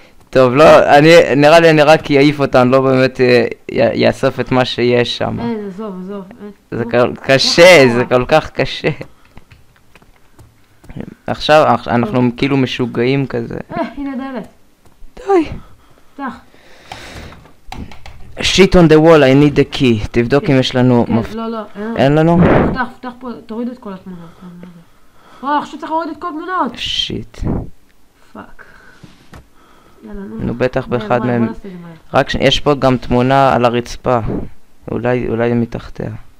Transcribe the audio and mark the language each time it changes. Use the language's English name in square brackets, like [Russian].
[Hebrew] טוב, לא, אני, נראה לי אני רק יעיף אותן, לא באמת יאסוף את מה שיש שם. אין, עזוב. זה קשה, זה כל כך קשה. עכשיו אנחנו כאילו משוגעים כזה. הנה דלת. די. פתח. [English] Shit on the wall, I need the key. [Hebrew] תבדוק אם יש לנו... לא, אין לנו? פתח פה, תוריד את כל התמונות. אוח, עכשיו צריך להוריד את כל התמונות. שיט. פאק. נו בטח באחד מהם, רק יש פה גם תמונה על הרצפה, אולי מתחתיה.